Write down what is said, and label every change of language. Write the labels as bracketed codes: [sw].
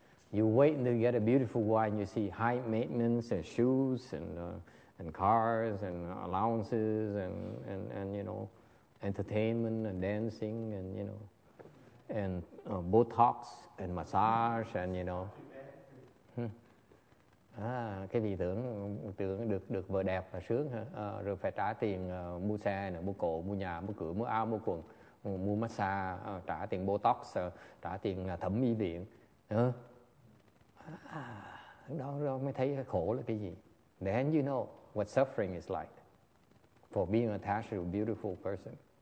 [en] You wait until you get a beautiful wife and you see high maintenance and shoes and cars and allowances and you know, entertainment and dancing and you know, and Botox and massage and you know. [vi] Cái gì tưởng được vợ đẹp là sướng hả? Rồi phải trả tiền mua xe nè, mua cổ, mua nhà, mua cửa, mua áo, mua quần, mua massage, trả tiền Botox, trả tiền thẩm mỹ viện. Đó mới thấy khổ là cái gì. [en] Then you know what suffering is like for being attached to a beautiful person.